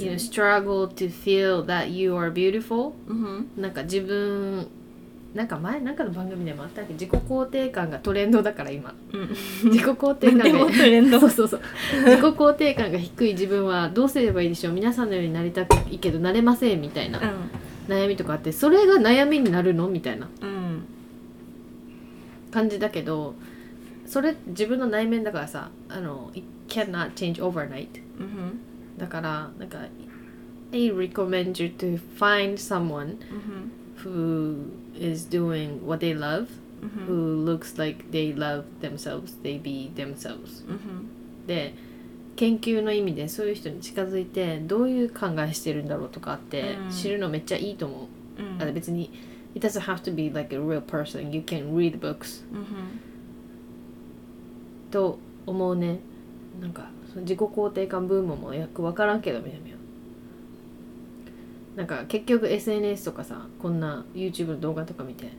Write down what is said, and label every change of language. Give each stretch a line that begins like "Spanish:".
English: you struggle to feel that you are beautiful、 mm-hmm.
Japanese: なんか自分、なんか前なんかの番組でもあったっけ、自己肯定感がトレンドだから今、うん、自己肯定感が何でもトレンド、そうそうそう、自己肯定感が低い自分はどうすればいいでしょう、皆さんのようになりたくいいけどなれませんみたいな、うん、悩みとかあって、それが悩みになるのみたいな、うん、感じだけど、それ自分の内面だからさ、あの
English: It cannot change overnight、
Japanese: うん、だからなんか
English: I recommend you to find someone、
Japanese: うん、
English: who is doing what they love、 mm-hmm. who looks like they love themselves, they be themselves、 mm-hmm.
Japanese: で、研究の意味でそういう人に近づいてどういう考えしてるんだろうとかって知るのめっちゃいいと思う、 mm-hmm. 別に
English: It doesn't have to be like a real person, you can read books、 mm-hmm.
Japanese: と思うね、なんかその自己肯定感ブームもよくわからんけど、みなみはなんか結局 SNS とかさ、こんな YouTube の動画とか見て、